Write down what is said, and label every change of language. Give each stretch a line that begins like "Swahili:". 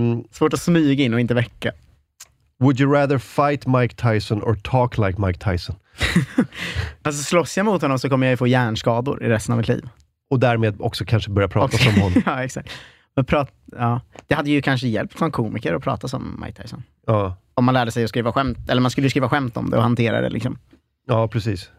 Swedish: Svårt att smyga in och inte väcka.
English: Would you rather fight Mike Tyson or talk like Mike Tyson?
Swedish: Alltså slåss jag mot honom så kommer jag ju få hjärnskador i resten av mitt liv. Och därmed också kanske börja prata okay. som honom. Ja, exakt. Men ja. Det hade ju kanske hjälpt från komiker att prata som Mike Tyson. Ja. Om man lärde sig att skriva skämt, eller man skulle skriva skämt om det och hantera det liksom. Ja, precis.